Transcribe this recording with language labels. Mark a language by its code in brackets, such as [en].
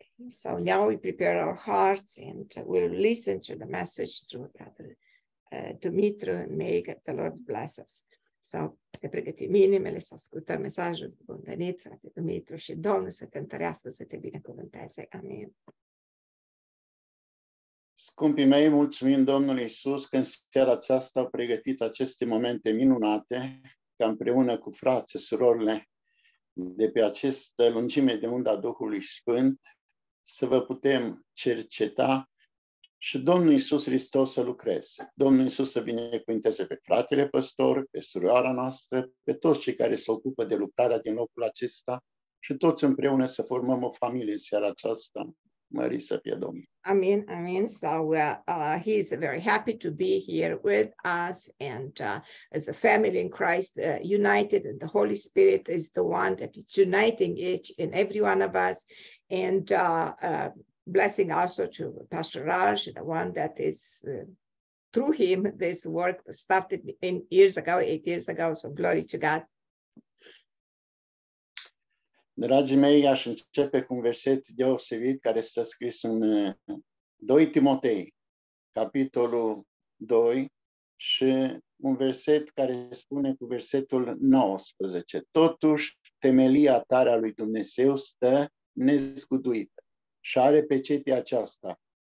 [en] So now we prepare our hearts and we'll listen to the message through Brother Dumitru, and may the Lord bless us. [ro] So, ne pregătim inimele să ascultăm mesajul. Bun venit, frate Dumitru, și Domnul să te întărească, să te binecuvânteze. Amin. Scumpii mei, mulțumim Domnului Iisus că în seara aceasta au pregătit aceste momente minunate, ca împreună cu frații, surorile, de pe această lungime de unda Duhului Sfânt, să vă putem cerceta și Domnul Iisus Hristos să lucreze. Domnul Iisus să binecuvinteze pe fratele păstor, pe surioara noastră, pe toți cei care se ocupă de lucrarea din locul acesta și toți împreună să formăm o familie în seara aceasta. Mărit să fie Domnul. Amin, amin. [en] So, he is very happy to be here with us and as a family in Christ, united, and the Holy Spirit is the one that is uniting each and every one of us. And blessing also to Pastor Raj, the one that is through him, this work started in eight years ago. So glory to God. [ro] Dragii mei, aș începe cu un verset deosebit care stă scris în 2 Timotei, capitolul 2, și un verset care spune cu versetul 19. Totuși, temelia tare a lui Dumnezeu stă nezguduită și are pecetea aceasta.